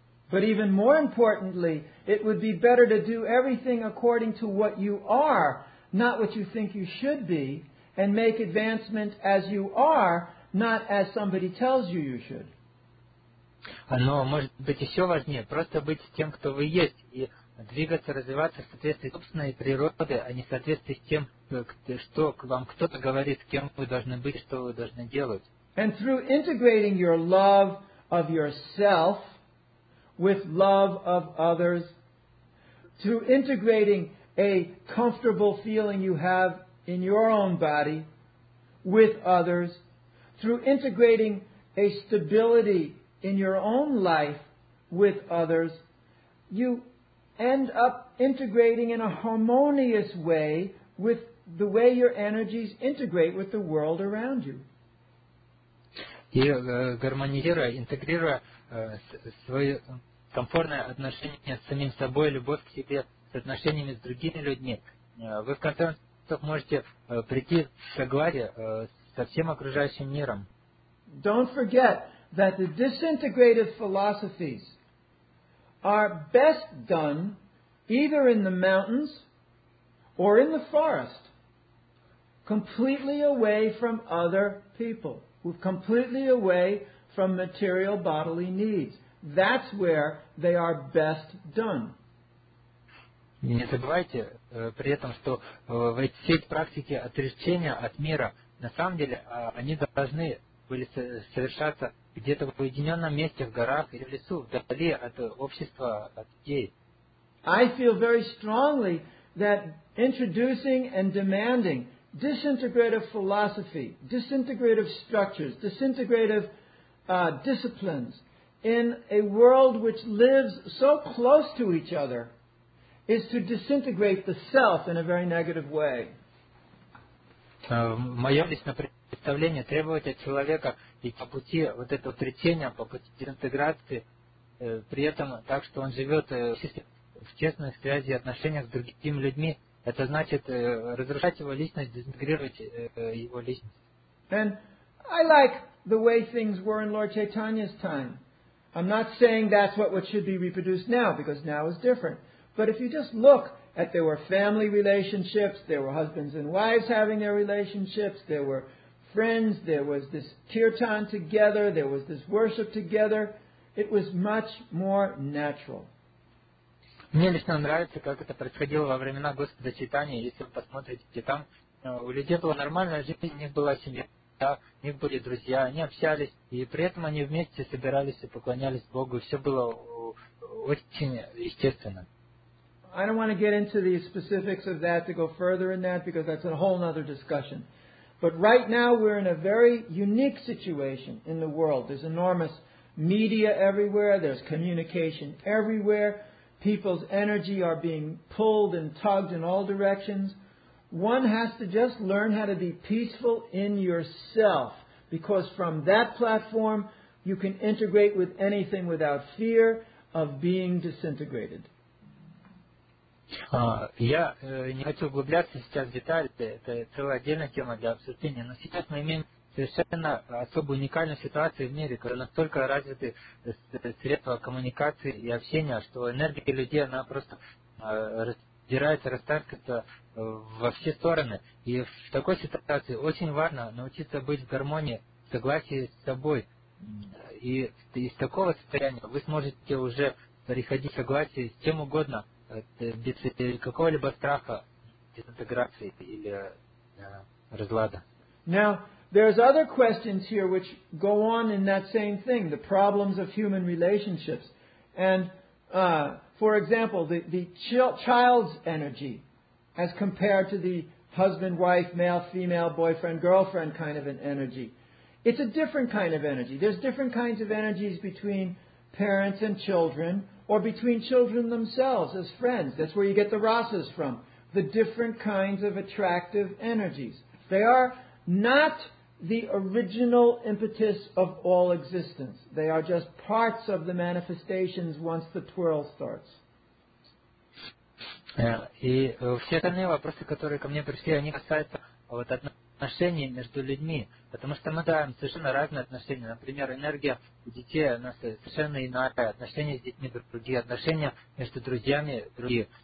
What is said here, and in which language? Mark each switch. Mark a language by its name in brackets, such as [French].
[English] But even more importantly, it would be better to do everything according to what you are, not what you think you should be, and make advancement as you are, not as somebody tells you you should. [Russian] Но, может быть, еще важнее, просто быть тем, кто вы есть, и двигаться, развиваться в соответствии с собственной природой, а не в соответствии с тем, что вам кто-то говорит, кем вы должны быть, что вы должны делать. [English] And through integrating your love of yourself with love of others, through integrating a comfortable feeling you have in your own body with others, through integrating a stability in your own life with others, you end up integrating in a harmonious way with the way your energies integrate with the world around you. [Russian] И гармонизируя, интегрируя свое комфортное отношение с самим собой, любовь к себе, с отношениями с другими людьми, вы в конце концов можете прийти в согласие со всем окружающим миром. [English] Don't forget that the disintegrative philosophies are best done either in the mountains or in the forest. completely away from other people, completely away from material bodily needs. That's where they are best done. [Russian] Не забывайте при этом, что все эти практики отречения от мира, на самом деле, они должны были совершаться где-то в уединенном месте, в горах или в лесу, вдали от общества, от людей. [English] I feel very strongly that introducing and demanding disintegrative philosophy, disintegrative structures, disintegrative disciplines in a world which lives so close to each other is to disintegrate the self in a very negative way. [Russian] Мое личное представление требовать от человека и по пути вот этого отречения, по пути дезинтеграции, при этом так, что он живет в тесной связи и отношениях с другими людьми, это значит разрушать его личность, дезинтегрировать его личность. [English] And I like the way things were in Lord Chaitanya's time. I'm not saying that's what should be reproduced now, because now is different. But if you just look at there were family relationships, there were husbands and wives having their relationships, there were friends, there was this kirtan together, there was this worship together, it was much more natural. [Russian] Мне лично нравится, как это происходило во времена Господа Чайтаньи. Если вы посмотрите там, у людей была нормальная жизнь, у них была семья, да, у них были друзья, они общались, и при этом они вместе собирались и поклонялись Богу, и все было очень естественно. [English] I don't want to get into the specifics of that, to go further in that, because that's a whole other discussion. But right now we're in a very unique situation in the world. There's enormous media everywhere. There's communication everywhere. People's energy are being pulled and tugged in all directions. One has to just learn how to be peaceful in yourself, because from that platform you can integrate with anything without fear of being disintegrated. [Russian] Я не хочу углубляться сейчас в детали, это целая отдельная тема для обсуждения, но сейчас мы имеем совершенно особую уникальную ситуацию в мире, когда настолько развиты средства коммуникации и общения, что энергия людей, она просто раздирается, растаскивается во все стороны. И в такой ситуации очень важно научиться быть в гармонии, в согласии с собой. И из такого состояния вы сможете уже приходить в согласие с чем угодно, без какого-либо страха, дезинтеграции или разлада. [English] Now, there's other questions here which go on in that same thing, the problems of human relationships. And, for example, the child's energy as compared to the husband, wife, male, female, boyfriend, girlfriend kind of an energy. It's a different kind of energy. There's different kinds of energies between parents and children, or between children themselves as friends. That's where you get the rasas from. The different kinds of attractive energies. They are not the original impetus of all existence. They are just parts of the manifestations once the twirl starts. [Russian] И все остальные вопросы, которые ко мне пришли, они касаются вот отношений между людьми. Потому что мы даем совершенно разные отношения. Например, энергия у детей, она совершенно иная. Отношения с детьми другие. Отношения между друзьями другие.